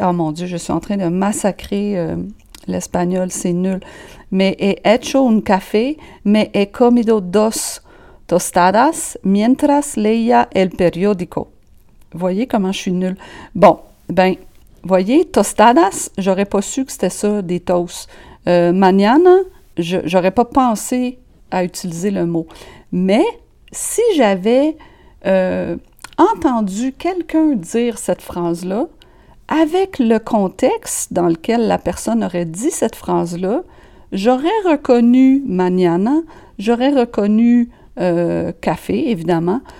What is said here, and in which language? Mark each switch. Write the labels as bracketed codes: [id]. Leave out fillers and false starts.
[fr] Oh mon Dieu, je suis en train de massacrer l'espagnol, c'est nul. [es] « Me he hecho un café, me he comido dos tostadas mientras leía el periódico ». [fr] Voyez comment je suis nul. Bon, ben. Voyez, tostadas, j'aurais pas su que c'était ça, des toasts. Mañana, j'aurais pas pensé à utiliser le mot. Mais si j'avais entendu quelqu'un dire cette phrase-là, avec le contexte dans lequel la personne aurait dit cette phrase-là, j'aurais reconnu mañana, j'aurais reconnu café, évidemment.